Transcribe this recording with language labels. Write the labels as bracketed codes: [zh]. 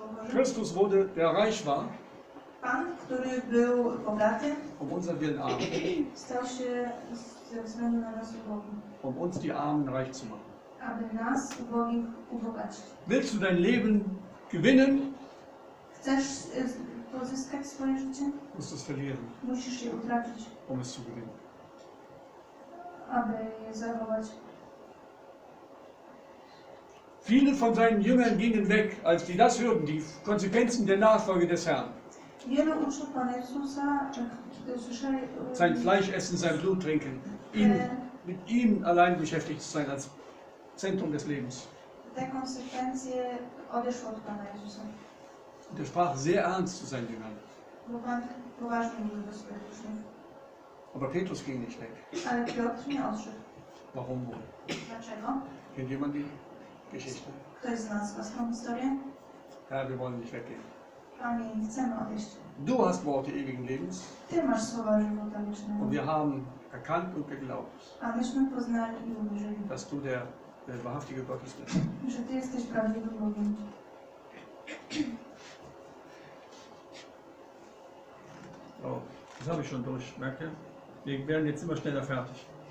[de] Christus wurde, der reich war, [pl] Pan, który był bogaty, [de] um unser Willen arm, [pl] stał się ze względu na nas ubogim, [de] um uns die Armen reich zu machen. [pl] Aby nas ubogich ubogacić. [de] Willst du dein Leben gewinnen? [pl] Chcesz pozyskać swoje życie? [de] Musst du es verlieren. [pl] Musisz je utracić. [de] Um es zu gewinnen. [pl] Aby je zachować. [de] Viele von seinen Jüngern gingen weg, als die das hörten, die Konsequenzen der Nachfolge des Herrn. [pl] Wielu uczniów Pana Jezusa, kiedy słyszeli... [de] Sein Fleisch essen, sein Blut trinken. Ihn, mit ihm allein beschäftigt zu sein, als Zentrum des Lebens. [pl] Te konsekwencje odeszły od Pana Jezusa. [de] Er sprach sehr ernst zu seinen Jüngern. [pl] Bo Pan poważnie mówił do swoich uczniów. [de] Aber Petrus ging nicht weg. [pl] Ale Piotr nie odszedł. [de] Warum wohl? [pl] Dlaczego? [de] Kennt jemand die Geschichte? [pl] Ktoś z nas was tą historię? [de] Ja, wir wollen nicht weggehen. Amen. Du hast Worte ewigen Lebens. [pl] Ty masz słowa żywota wiecznego. [de] Und wir haben erkannt und geglaubt. [pl] A myśmy poznali i uwierzyli. [de] Dass du der wahrhaftige Gott bist. [pl] Że ty jesteś prawdziwym Bogiem. [de] Oh, das habe ich schon durch, merkt ihr? Wir werden jetzt immer schneller fertig.